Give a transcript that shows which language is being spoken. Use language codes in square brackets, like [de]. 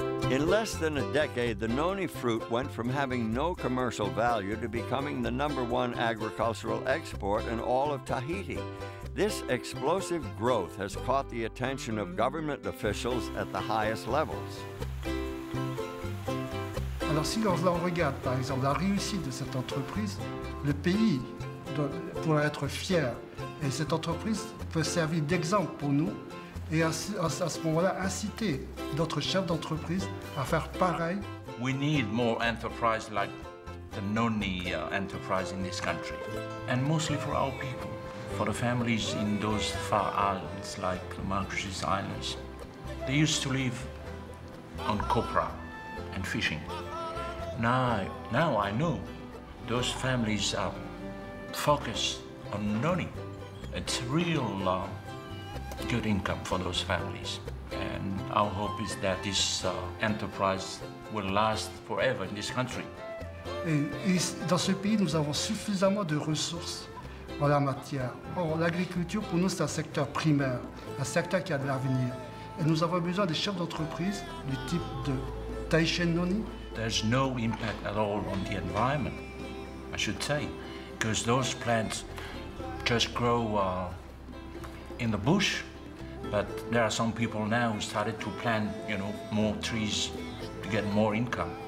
[en] In less than a decade, the noni fruit went from having no commercial value to becoming the number one agricultural export in all of Tahiti. This explosive growth has caught the attention of government officials at the highest levels. [fr] Alors si on regarde, par exemple, la réussite de cette entreprise, le pays doit, pour être fier, et cette entreprise peut servir d'exemple pour nous. Et à ce moment-là, inciter d'autres chefs d'entreprise à faire pareil. [en] We need more enterprises like the Noni enterprise in this country. And mostly for our people, for the families in those far islands like the Marquesas Islands. They used to live on copra and fishing. Now I know those families are focused on Noni. It's real love. Good income for those families. And our hope is that this enterprise will last forever in this country. [fr] Et dans ce pays, nous avons suffisamment de ressources en la matière. Or, l'agriculture, pour nous, c'est un secteur primaire, un secteur qui a de l'avenir. Et nous avons besoin des chefs d'entreprise du type de Tahitian Noni. [en] There's no impact at all on the environment, I should say, because those plants just grow in the bush, but there are some people now who started to plant, you know, more trees to get more income.